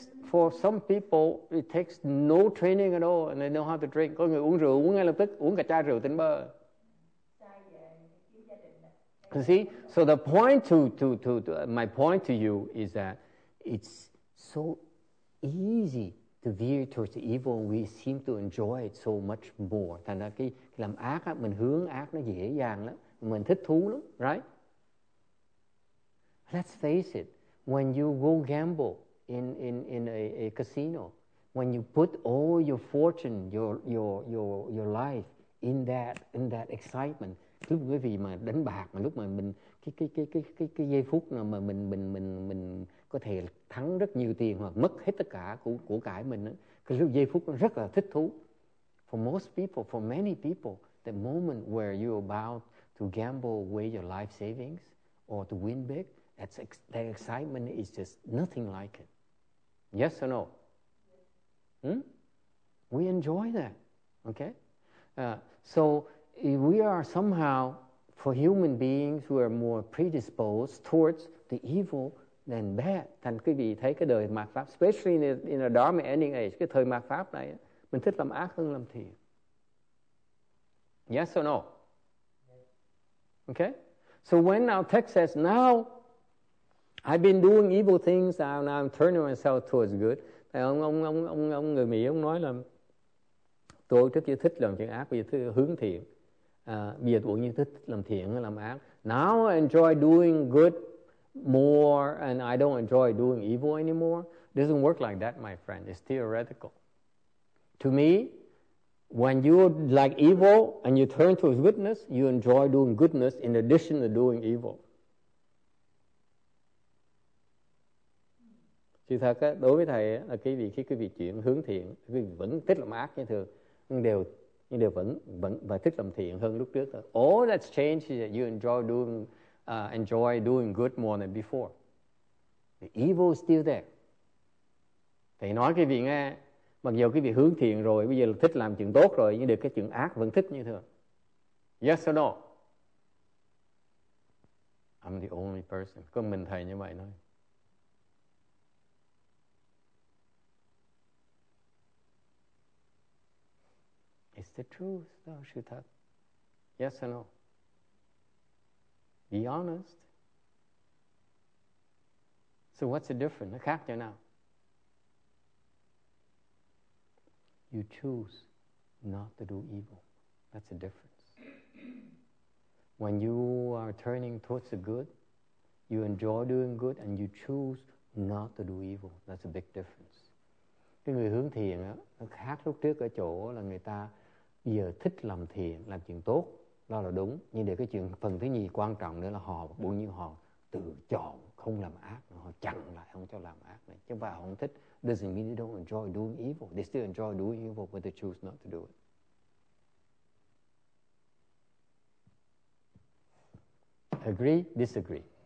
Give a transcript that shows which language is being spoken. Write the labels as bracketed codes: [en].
[en] For some people, it takes no training at all, and they know how to drink. [vi] Có người uống rượu uống ngay lập tức, uống cả chai rượu tỉnh bơ. [en] You see, so the point to my point to you is that it's so easy to veer towards the evil, and we seem to enjoy it so much more. [vi] Thành ra cái làm ác á, mình hướng ác nó dễ dàng lắm, mình thích thú lắm, [en] right? Let's face it, when you go gamble in a casino, when you put all your fortune, your life in that excitement, [vi] lúc quý vị mà đánh bạc, mà lúc mà mình cái giây phút nào mà mình có thể thắng rất nhiều tiền hoặc mất hết tất cả của cải mình đó, cái lúc giây phút nó rất là thích thú. [en] For many people, the moment where you're about to gamble away your life savings or to win big, that excitement is just nothing like it. Yes or no? Hmm? We enjoy that. Okay? So if we are somehow, for human beings who are more predisposed towards the evil than bad. [vi] Thành quý vị thấy cái đời mạt pháp, [en] especially in a Dharma ending age, [vi] cái thời mạt pháp này, mình thích làm ác hơn làm thiện. [en] Yes or no? Okay? So when our text says, now I've been doing evil things, now I'm turning myself towards good. [vi] Ông người Mỹ ông nói là tôi trước kia thích làm chuyện ác, bây giờ thích hướng thiện. Bây giờ tôi cũng như thích làm thiện hay làm ác. [en] Now I enjoy doing good more and I don't enjoy doing evil anymore. It doesn't work like that, my friend. It's theoretical. To me, when you like evil and you turn towards goodness, you enjoy doing goodness in addition to doing evil. [vi] Thì thật á, đối với thầy á, là cái việc khi cái việc chuyển hướng thiện, quý vị vẫn thích làm ác như thường, nhưng đều vẫn và thích làm thiện hơn lúc trước thôi. [en] All that's changed is that you enjoy doing good more than before. The evil is still there. [vi] Thầy nói cái việc nghe, mặc dù cái việc hướng thiện rồi, bây giờ là thích làm chuyện tốt rồi, nhưng được cái chuyện ác vẫn thích như thường. [en] Yes or no? I'm the only person. [vi] Có mình thầy như vậy thôi. [en] It's the truth, though, [vi] sự thật. [en] Yes or no? Be honest. So what's the difference? [vi] Nó khác chỗ nào? [en] You choose not to do evil. That's the difference. When you are turning towards the good, you enjoy doing good, and you choose not to do evil. That's a big difference. [vi] Cái người hướng thiện á, nó khác lúc trước ở chỗ là người ta bây giờ thích làm thiện, làm chuyện tốt, đó là đúng. Nhưng để cái chuyện phần thứ nhì quan trọng nữa là họ bao nhiêu họ tự chọn không làm ác, họ chặn lại không cho làm ác này. Chứ vào họ không thích, [en] doesn't mean they don't enjoy doing evil. They still enjoy doing evil, but they choose not to do it. Agree? Disagree?